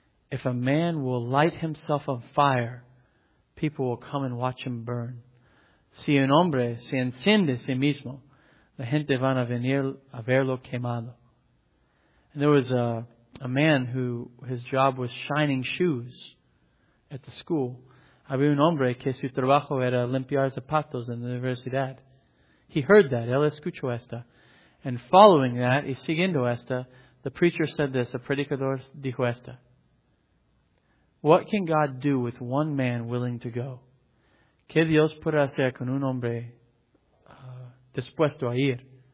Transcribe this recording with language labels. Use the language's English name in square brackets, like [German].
[English] If a man will light himself on fire, people will come and watch him burn. [Spanish] Si un hombre se enciende a sí mismo, la gente van a venir a verlo quemado. [English] And there was a man who his job was shining shoes at the school. [Spanish] Había un hombre que su trabajo era limpiar zapatos en la universidad. [English] He heard that. [Spanish] Él escuchó esta. [English] And following that, [Spanish] y siguiendo esta, [English] the preacher said this, the [Spanish] predicador dijo esta. [English] What can God do with one man willing to go? [Spanish] ¿Qué Dios puede hacer con un hombre dispuesto a ir?